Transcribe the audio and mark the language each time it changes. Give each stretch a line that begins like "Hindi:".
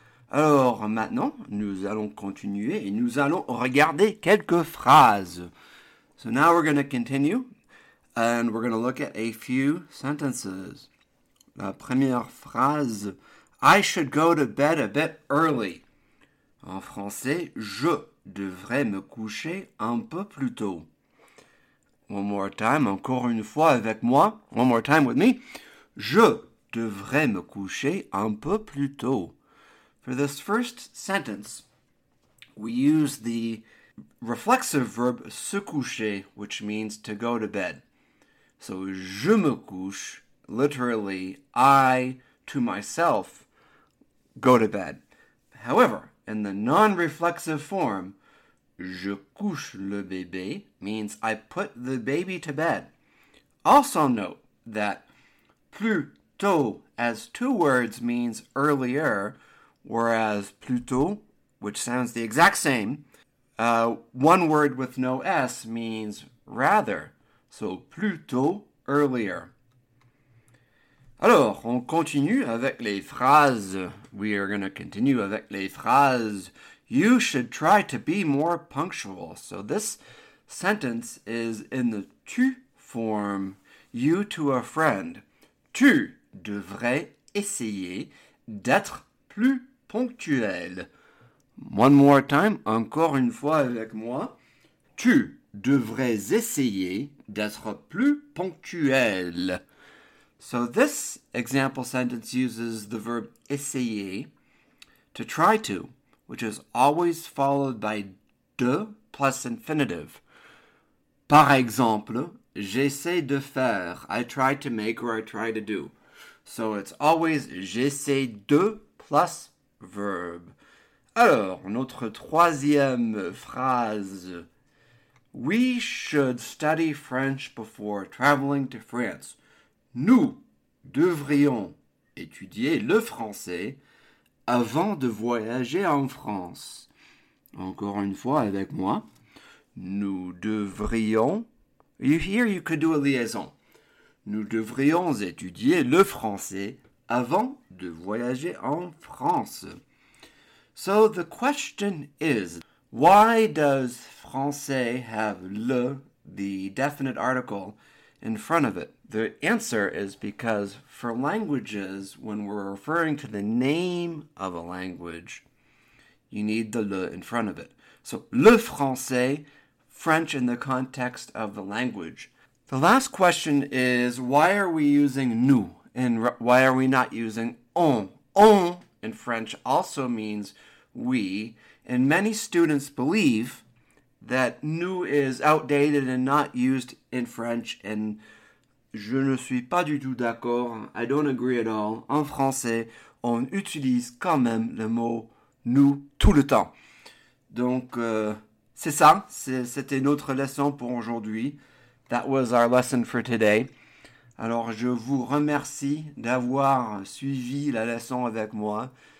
French: Alors maintenant, nous allons continuer et nous allons regarder quelques phrases.
English: So now we're going to continue and we're going to look at a few sentences.
French: La première phrase,
English: I should go to bed a bit early.
French: En français, je devrais me coucher un peu plus tôt.
English: One more time,
French: encore une fois avec moi.
English: One more time with me.
French: Je devrais me coucher un peu plus tôt.
English: For this first sentence, we use the reflexive verb se coucher, which means to go to bed. So,
French: je me couche,
English: literally, I, to myself, go to bed. However, in the non-reflexive form,
French: je couche le bébé
English: means I put the baby to bed. Also note that plus tôt, as two words, means earlier, whereas plus tôt, which sounds the exact same, one word with no S means rather.
French: So, plus tôt, earlier. Alors, on continue avec les phrases.
English: We are going to continue
French: avec les phrases.
English: You should try to be more punctual. So, this sentence is in the tu form, you to a friend.
French: Tu devrais essayer d'être plus ponctuel.
English: One more time,
French: encore une fois avec moi. Tu devrais essayer d'être plus ponctuel.
English: So this example sentence uses the verb essayer to try to, which is always followed by de plus infinitive.
French: Par exemple, j'essaie de faire,
English: I try to make or I try to do. So it's always
French: j'essaie de
English: plus verb.
French: Alors, notre troisième phrase.
English: We should study French before traveling to France.
French: Nous devrions étudier le français avant de voyager en France. Encore une fois avec moi. Nous devrions.
English: Here you could do a liaison.
French: Nous devrions étudier le français avant de voyager en France.
English: So the question is, why does français have le, the definite article, in front of it? The answer is because for languages, when we're referring to the name of a language, you need the le in front of it. So le français, French in the context of the language. The last question is, why are we using nous and why are we not using on? On in French also means we, and many students believe that nous is outdated and not used in French, and
French: je ne suis pas du tout d'accord.
English: I don't agree at all.
French: En français, on utilise quand même le mot nous tout le temps. Donc, c'est ça, c'était notre leçon pour aujourd'hui.
English: That was our lesson for today.
French: Alors, je vous remercie d'avoir suivi la leçon avec moi.